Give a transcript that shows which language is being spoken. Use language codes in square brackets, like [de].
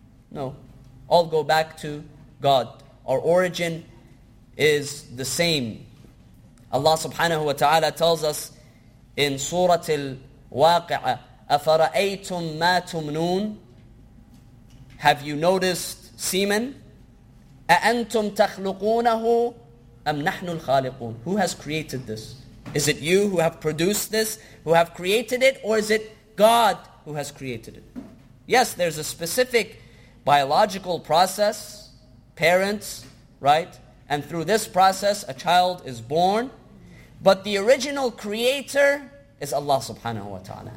[en] No, all go back to God. Our origin is the same. Allah subhanahu wa ta'ala tells us in Surah Al-Waqi'ah, [ar] "أَفَرَأَيْتُم مَا تُمْنُونَ," [en] have you noticed semen? [ar] "أَأَنْتُمْ تَخْلُقُونَهُ أَمْ نَحْنُ الْخَالِقُونَ," [en] who has created this? Is it you who have produced this, who have created it, or is it God who has created it? Yes, there's a specific biological process, parents, right? And through this process, a child is born. But the original creator is Allah subhanahu wa ta'ala.